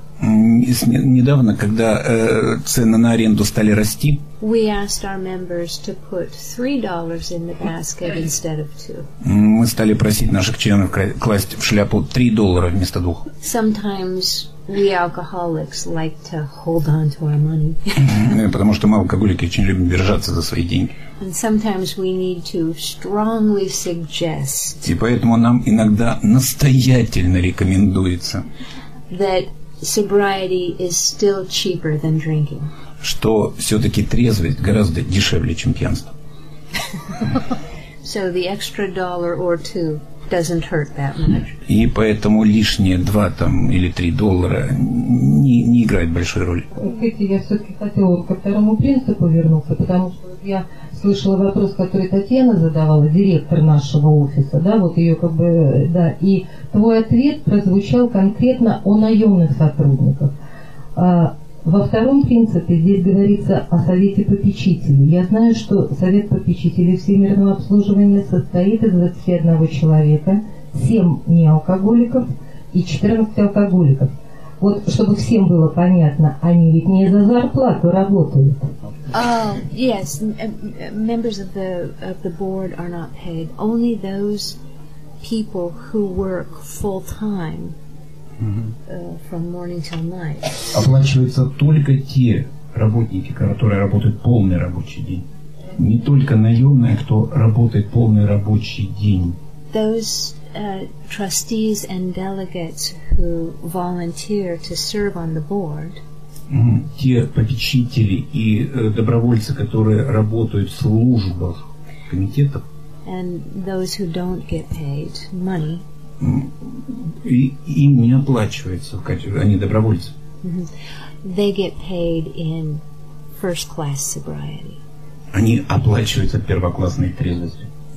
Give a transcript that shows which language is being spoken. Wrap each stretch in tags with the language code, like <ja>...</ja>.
<ru>недавно, когда цены на аренду стали расти,</ru> <en>we asked our members to put $3 in the basket instead of two.</en> <ru>Мы стали просить наших членов класть в шляпу $3 вместо двух.</ru> <en>Sometimes we alcoholics like to hold on to our money.</en> <ru>Потому что мы алкоголики очень любим держаться за свои деньги.</ru> <en>And sometimes we need to strongly suggest.</en> <ru>И поэтому нам иногда настоятельно рекомендуется,</ru> <en>that sobriety is still cheaper than drinking.</en> <ru>Что все-таки трезвость гораздо дешевле, чем пьянство.</ru> <en>So the extra dollar or two doesn't hurt that much.</en> <ru>И поэтому лишние два там или три доллара не играет большой роли. Видите, я все-таки хотела ко второму принципу вернуться, потому что вот я слышала вопрос, который Татьяна задавала, директор нашего офиса, да, вот ее как бы, да, и твой ответ прозвучал конкретно о наемных сотрудниках. Во втором принципе здесь говорится о совете попечителей. Я знаю, что совет попечителей всемирного обслуживания состоит из 21 человека, 7 неалкоголиков и 14 алкоголиков. Вот, чтобы всем было понятно, они ведь не за зарплату работают.</ru> <en>Yes, members of the board are not paid. Only those people who work full-time. From morning till night.</en> <ru>Оплачиваются только те работники, которые работают полный рабочий день. не только наемные, кто работает полный рабочий день.</ru> <en>Those trustees and delegates who volunteer to serve on the board.</en> <ru>Те попечители и добровольцы, которые работают в службах комитетов.</ru> <en>And those who don't get paid money.</en> <ru>И им не оплачивается, они добровольцы. Mm-hmm.</ru> <en>They get paid in first class sobriety.</en> <ru>Они оплачиваются первоклассной трезвостью.</ru>